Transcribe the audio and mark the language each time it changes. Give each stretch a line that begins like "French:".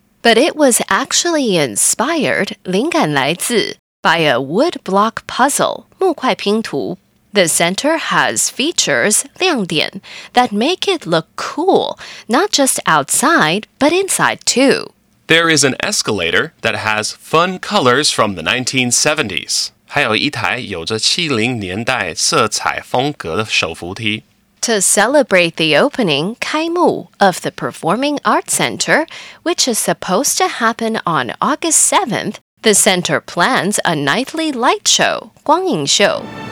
English: But it was actually inspired,
Chinese: 灵感来自,
English: by a woodblock puzzle,
Chinese: 木块拼图.
English: The center has features,
Chinese: 亮点,
English: that make it look cool, not just outside, but inside too. There is an escalator that has fun colors from the 1970s.
Chinese: 还有一台有着70年代色彩风格的手扶梯。
English: To celebrate the opening,
Chinese: 开幕,
English: of the Performing Arts Center, which is supposed to happen on August 7th, the center plans a nightly light show,
Chinese: 光影秀.